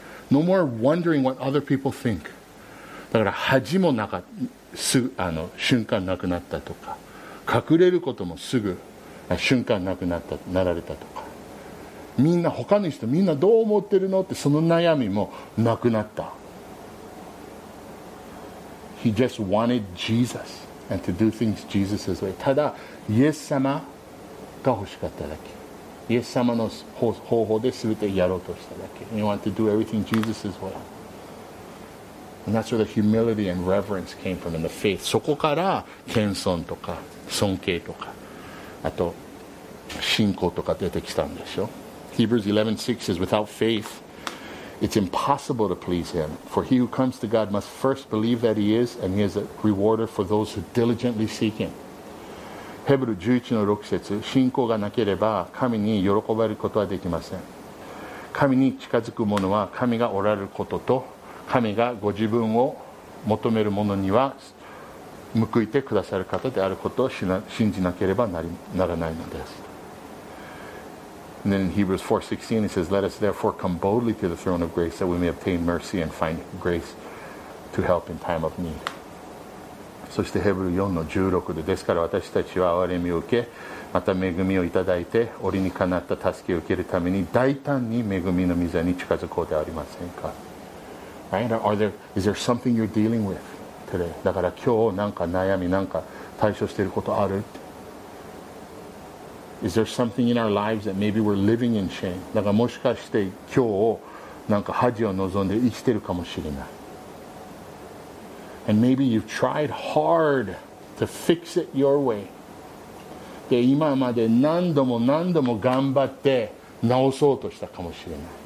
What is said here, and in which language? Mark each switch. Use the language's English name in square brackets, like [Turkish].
[English] No more wondering what other people think. [Japanese] だから恥もなかすぐあの瞬間なくなったとか隠れることもすぐ瞬間なくなったなられたとかみんな他の人みんなどう思ってるのってその悩みもなくなった [English] He just wanted Jesus and to do things Jesus' way. [Japanese] ただ、イエス様が欲しかっただけ。イエス様の方法で全てやろうとしただけ。 [English] He wanted to do everything Jesus' way. And that's where the humility and reverence came from in the faith. [Japanese] そこから、謙遜とか、尊敬とか、あと、信仰とか出てきたんでしょ。 [English] Hebrews 11:6 says, without faith,It's impossible to please him. For he who comes to God must first believe that he is, and he is a rewarder for those who diligently seek him. [Japanese] ヘブル 11-6 節、信仰がなければ神に喜ばれることはできません。神に近づく者は神がおられることと、神がご自分を求める者には報いてくださる方であることを信じなければならないのです。 [English] And then in Hebrews 4:16, it says, Let us therefore come boldly to the throne of grace that we may obtain mercy and find grace to help in time of need. [Japanese] そしてヘブル 4-16 で、ですから私たちは憐れみを受け、また恵みをいただいて、折にかなった助けを受けるために、大胆に恵みの御座に近づこうでありませんか。 [English] Right? Is there something you're dealing with today? [Japanese] だから今日なんか悩み、なんか対処していることある [English] Is there something in our lives that maybe we're living in shame? [Japanese] だからもしかして今日なんか恥を望んで生きてるかもしれない。 [English] And maybe you've tried hard to fix it your way. [Japanese] で今まで何度も何度も頑張って直そうとしたかもしれない。